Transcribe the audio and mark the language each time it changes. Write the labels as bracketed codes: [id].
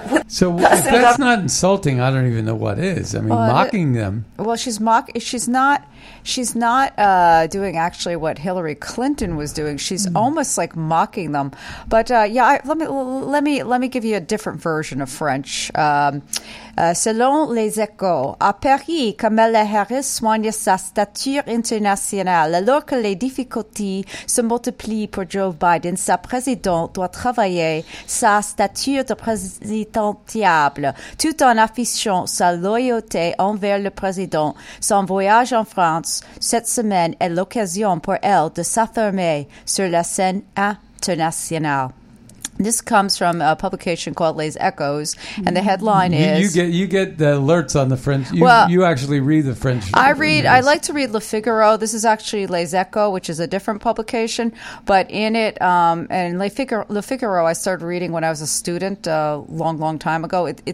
[en] So if that's not insulting, I don't even know what is. I mean, mocking them. Well, she's not doing actually what Hillary Clinton was doing. She's almost like mocking them. But let me give you a different version of French. [fr] Selon les échos, à Paris, Kamala Harris soigne sa stature internationale alors que les difficultés se multiplient pour Joe Biden. Sa présidente doit travailler sa stature de présidentiable tout en affichant sa loyauté envers le président. Son voyage en France cette semaine est l'occasion pour elle de s'affirmer sur la scène internationale. [en] This comes from a publication called Les Echos, and the headline is... You get the alerts on the French. You actually read the French. I like to read Le Figaro. This is actually Les Echos, which is a different publication. But in it, and Le Figaro, I started reading when I was a student a long, long time ago.